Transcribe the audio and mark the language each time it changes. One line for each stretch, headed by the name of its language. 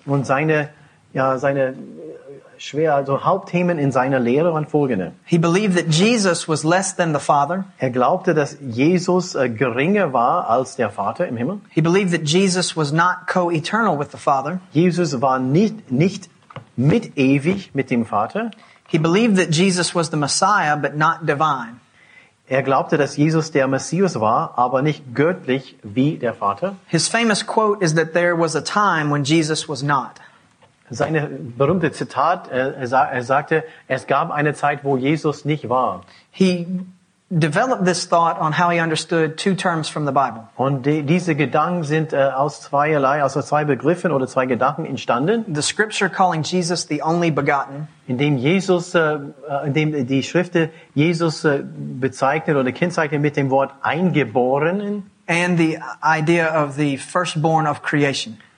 German: Und seine Hauptthemen in seiner Lehre waren folgende.
English: He believed that Jesus was less than the Father.
German: Er glaubte, dass Jesus geringer war als der Vater im Himmel.
English: He believed that Jesus was not co-eternal with the Father.
German: Jesus war nicht mit ewig mit dem Vater.
English: He believed that Jesus was the Messiah, but not divine.
German: Er glaubte, dass Jesus der Messias war, aber nicht göttlich wie der Vater.
English: His famous quote is that there was a time when Jesus was not.
German: Seine berühmte Zitat, er sagte, es gab eine Zeit, wo Jesus nicht war.
English: He developed this thought on how he understood two terms from the Bible.
German: Und diese Gedanken sind aus zwei Begriffen oder zwei Gedanken entstanden.
English: The scripture calling Jesus the only begotten.
German: Indem die Schrift Jesus bezeichnet oder kennzeichnet mit dem Wort Eingeborenen.
English: And the idea of the firstborn of creation.